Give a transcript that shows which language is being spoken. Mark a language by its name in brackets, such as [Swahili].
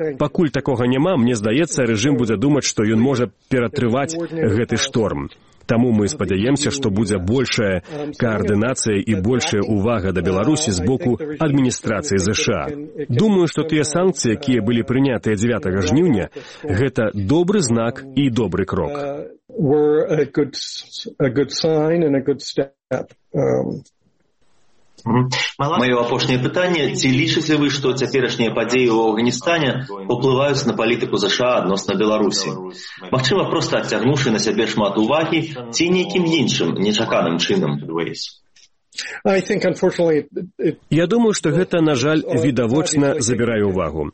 [Belarusian] Пакуль такога няма, мне здаецца, рэжым будзе думаць, што ён можа ператрываць гэты шторм. Таму мы спадзяемся, што будзе большая каардынацыя і большая ўвага да Беларусі з боку адміністрацыі ЗША. Думаю, што тыя санкцыі, якія былі прынятыя 9 жніўня, гэта добры знак і добры крок. [English] Were a good sign and a good step. [Belarusian] Моё апошняе пытанне, ці лічыце вы, што цяперашнія падзеі ў Афганістане ўплываюць на палітыку ЗША адносна Беларусі? Магчыма, проста адцягнуўшы на сябе шмат увагі ці нейкім іншым, нечаканым чынам? Я думаю, што гэта, на жаль, відавочна забірае ўвагу.